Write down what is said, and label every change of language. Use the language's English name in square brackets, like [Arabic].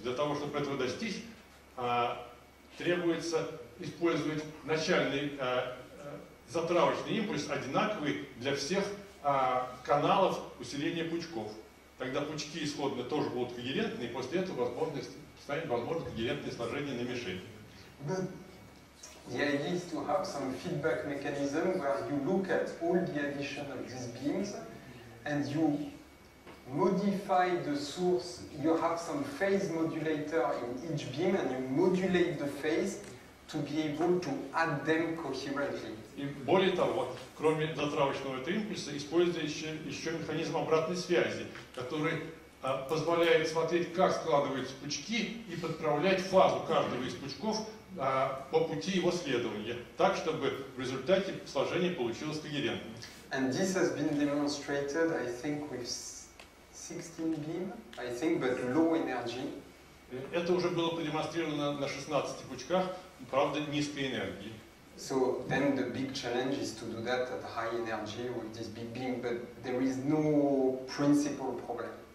[Russian] Для того, чтобы этого достичь, требуется использовать начальный затравочный импульс, одинаковый для всех каналов усиления пучков. Тогда пучки исходные тоже будут когерентные, и после этого станет возможно когерентное сложение на мишени. [English] The idea is to have some feedback mechanism where you look at all the addition of these beams and you modify the source. You have some phase modulator in each beam and you modulate the phase to be able to add them coherently. [Russian] И более того, кроме затравочного этого импульса, используется еще механизм обратной связи, который позволяет смотреть, как складываются пучки и подправлять фазу каждого из пучков по пути его следования, так, чтобы в результате сложение получилось когерентным. [English] And this has been demonstrated, I think, with 16 beam, I think, but low energy. [Russian] Это уже было продемонстрировано на 16 пучках, правда, низкой энергии. [English] So then the big challenge is to do that at high energy with this big beam, but there is no principal problem.